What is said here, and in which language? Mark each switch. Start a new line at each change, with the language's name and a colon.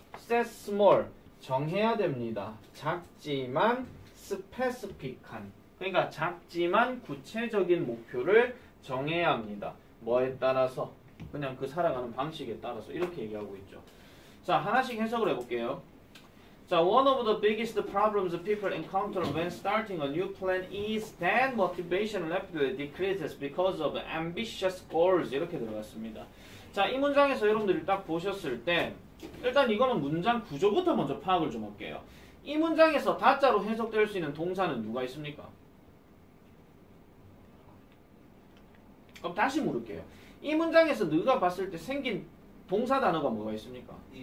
English: Set small.
Korean: 정해야 됩니다. 작지만 specific한. 그러니까 작지만 구체적인 목표를 정해야 합니다. 뭐에 따라서 그냥 그 살아가는 방식에 따라서 이렇게 얘기하고 있죠. 자 하나씩 해석을 해볼게요.
English: 자 one of the biggest problems people encounter when starting a new plan is that motivation rapidly decreases because of ambitious goals
Korean: 이렇게 들어갔습니다. 자 이 문장에서 여러분들이 딱 보셨을 때 일단 이거는 문장 구조부터 먼저 파악을 좀 할게요. 이 문장에서 다자로 해석될 수 있는 동사는 누가 있습니까? 그럼 다시 물을게요. 이 문장에서 너가 봤을 때 생긴 동사 단어가 뭐가 있습니까?